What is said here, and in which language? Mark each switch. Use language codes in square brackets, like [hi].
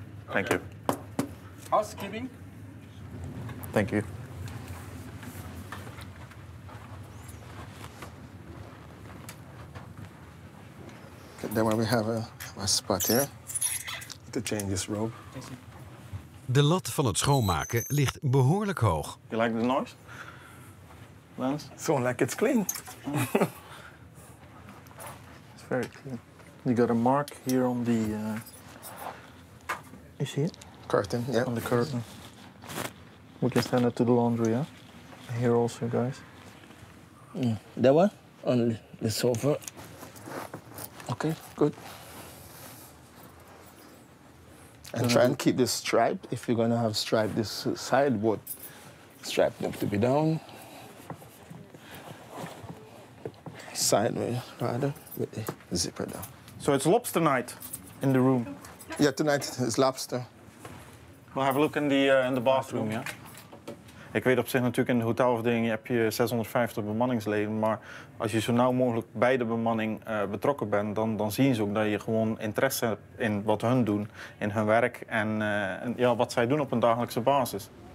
[en] Thank you. Housekeeping. Thank you. Okay, then we have a spot here to change this robe. [nl] De lat van het schoonmaken ligt behoorlijk hoog. [en] You like the noise? Lance? Sound like it's clean. Very clean. You got a mark here on the. You see it? Curtain, yeah. On the curtain. We can send it to the laundry, yeah? Here also, guys. That one? On the sofa. Okay, good. And try and keep this striped. If you're gonna have striped this sideboard, striped up to be down. Sideway, rather, with the zipper down. So it's lobster night in the room. Yeah, tonight is lobster. We'll have a look in the bathroom, yeah? [nl] Ik weet op zich natuurlijk in de hotelafdeling heb je 650 bemanningsleden, maar als je zo nauw mogelijk bij de bemanning betrokken bent, dan zien ze ook dat je gewoon interesse hebt in wat hun doen, in hun werk en wat zij doen op een dagelijkse basis.